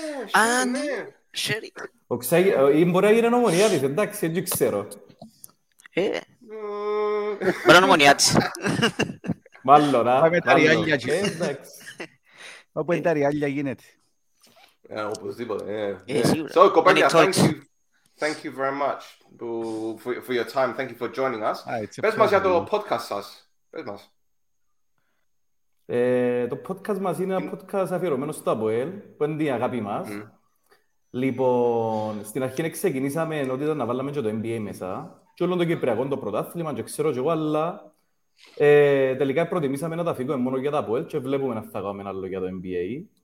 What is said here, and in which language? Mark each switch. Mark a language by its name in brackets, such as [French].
[Greek] Α, ναι, Sheridan. Ή μπορεί να γίνει ομονία της, εντάξει, δεν ξέρω. Μπορεί να είναι ομονία της. Μάλλον, α. Με τα ριάλια γίνεται. Όπου είναι τα ριάλια γίνεται. Οπωσδήποτε, ναι. [English] So, Κοπέλια, thank you very much for your time. Thank you for joining us. [Greek] Πες μας για το podcast σας. Πες μας. Το podcast μας είναι ένα podcast αφιερωμένο στο Αποέλ, που είναι την αγάπη μας. Λοιπόν, στην αρχή ξεκινήσαμε ότι ήταν να βάλαμε και το NBA μέσα. Και όλο το Κυπριακό, το πρωτάθλημα, και ξέρω και εγώ, αλλά τελικά προτιμήσαμε να τα φύγουμε μόνο για το Αποέλ και βλέπουμε να θα κάνουμε άλλο για το NBA.